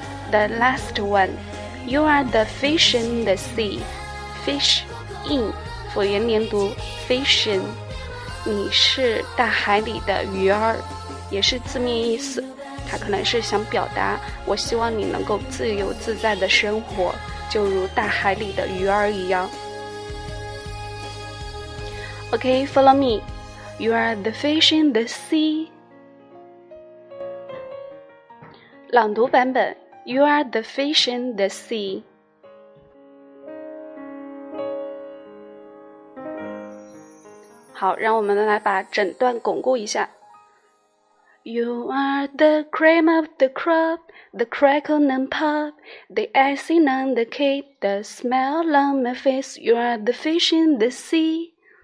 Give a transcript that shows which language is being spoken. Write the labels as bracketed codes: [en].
[en] The last one, you are the fish in the sea. Fish in, [zh] 辅音连读 [en] fish in. [zh] 你是大海里的鱼儿，也是字面意思。它可能是想表达，我希望你能够自由自在的生活，就如大海里的鱼儿一样。 [en] OK, follow me. You are the fish in the sea. [zh] 朗读版本 [en] You are the fish in the sea. [zh] 好，让我们来把整段巩固一下。 [en] You are the cream of the crop, the crackle and pop, the icing on the cake, the smell on my face, you are the fish in the sea.